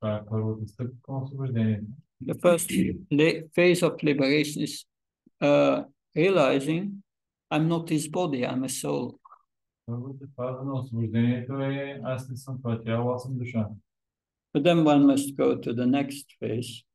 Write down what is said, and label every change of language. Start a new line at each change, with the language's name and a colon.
Bulgarian: Първото стъпка към освобождението.
English: The first phase of liberation is realizing I'm not this body, I'm a soul.
Bulgarian: Първата фаза на освобождението е аз не съм това тяло, аз съм душа.
English: But then one must go to the next phase.